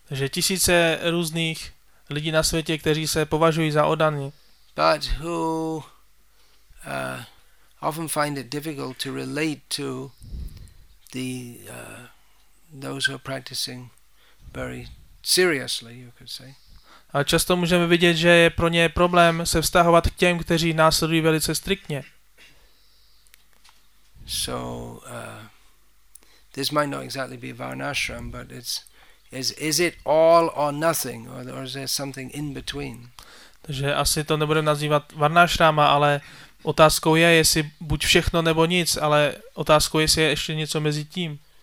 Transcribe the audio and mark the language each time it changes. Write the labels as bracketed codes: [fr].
[cs] Takže tisíce různých lidí na světě, kteří se považují za oddaní. [en] But who often find it difficult to relate to the those who are practicing very seriously, you could say. [cs] A často můžeme vidět, že je pro ně problém se vztahovat k těm, kteří následují velice striktně. [en] So this might not exactly be Varnashram, but is it all or nothing, or is there something in between? [cs] Takže asi to nebudeme nazývat Varnashrama, ale otázkou je, jestli buď všechno nebo nic, ale otázkou je, jestli je ještě něco mezi tím.